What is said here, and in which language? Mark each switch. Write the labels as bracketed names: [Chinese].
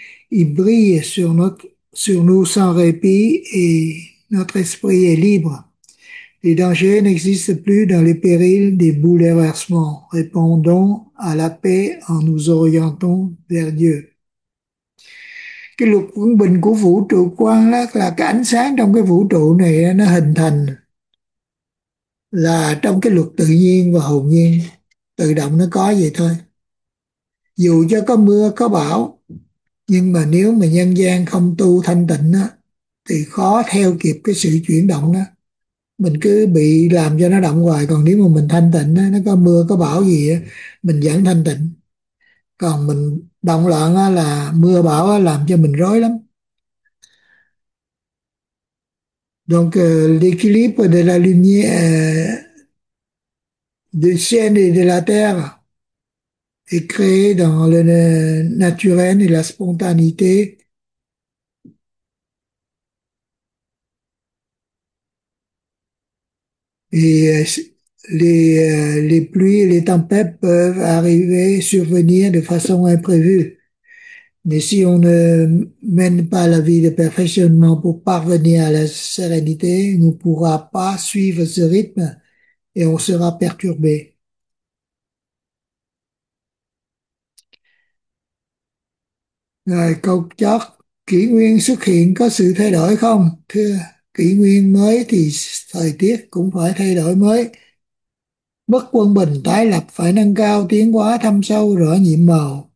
[French] Il brille sur nous sans répit et notre esprit est libre. Les dangers n'existent plus dans les périls des bouleversements. Répondons à la paix en nous orientant vers Dieu. [Vietnamese] Cái luật quân bình của vũ trụ quan là cái ánh sáng trong cái vũ trụ này nó hình thành là trong cái luật tự nhiên và hồn nhiên tự động nó có vậy thôi. Dù cho có mưa có bão nhưng mà nếu mà nhân gian không tu thanh tịnh á thì khó theo kịp cái sự chuyển động đó. Mình cứ bị làm cho nó động hoài, còn nếu mà mình thanh tịnh á, nó có mưa có bão gì á, mình vẫn thanh tịnh. Còn mình động loạn á, là mưa bão á, làm cho mình rối lắm. [French] Donc, l'équilibre de la lumière, du ciel et de la terre est créé dans le naturel et la spontanéité. Les pluies et les tempêtes peuvent arriver, survenir de façon imprévue. Mais si on ne mène pas la vie de perfectionnement pour parvenir à la sérénité, on ne pourra pas suivre ce rythme et on sera perturbé. [Vietnamese] Rồi, câu chót, kỷ nguyên xuất hiện có sự thay đổi không? Thưa, kỷ nguyên mới thì thời tiết cũng phải thay đổi mới. Bất quân bình tái lập phải nâng cao tiến hóa thâm sâu rõ nhiệm màu.